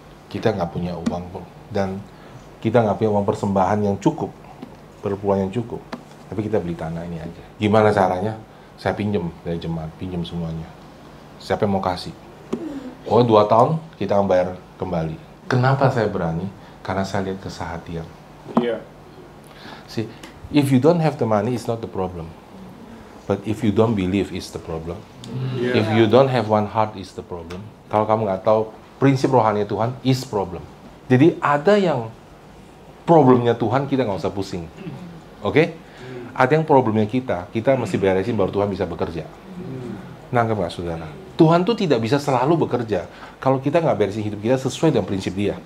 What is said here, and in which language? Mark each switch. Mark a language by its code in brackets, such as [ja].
[id] Kita nggak punya uang pun, dan kita nggak punya uang persembahan yang cukup, perpuluhan yang cukup. Tapi kita beli tanah ini aja. Gimana caranya? Saya pinjam dari jemaat, pinjam semuanya. Siapa yang mau kasih? Oh, 2 tahun kita akan bayar kembali. Kenapa saya berani? Karena saya lihat kesahatian. Iya. [en] See, if you don't have the money, it's not the problem. But if you don't believe, it's the problem. Yeah. If you don't have one heart, it's the problem. [id] Kalau kamu nggak tahu prinsip rohani Tuhan, [en] is problem. [id] Jadi ada yang problemnya Tuhan, kita nggak usah pusing. Oke? Okay? Ada yang problemnya kita, kita mesti beresin baru Tuhan bisa bekerja. Nangkep nggak, saudara? Tuhan tuh tidak bisa selalu bekerja kalau kita nggak beresin hidup kita sesuai dengan prinsip dia.